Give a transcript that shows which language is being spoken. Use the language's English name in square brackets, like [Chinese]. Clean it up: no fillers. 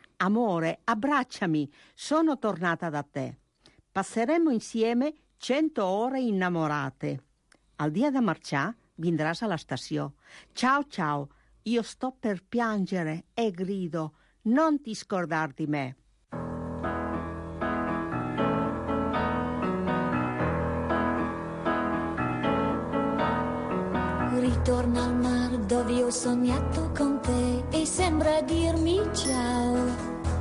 [Italian] Amore, abbracciami, sono tornata da te. Passeremo insieme 100 ore innamorate. [Catalan] El dia de marxar vindràs a l'estació. [Italian] Ciao, ciao, io sto per piangere e grido, non ti scordar di me. Ritorna al mar dove ho sognato con te e sembra dirmi ciao.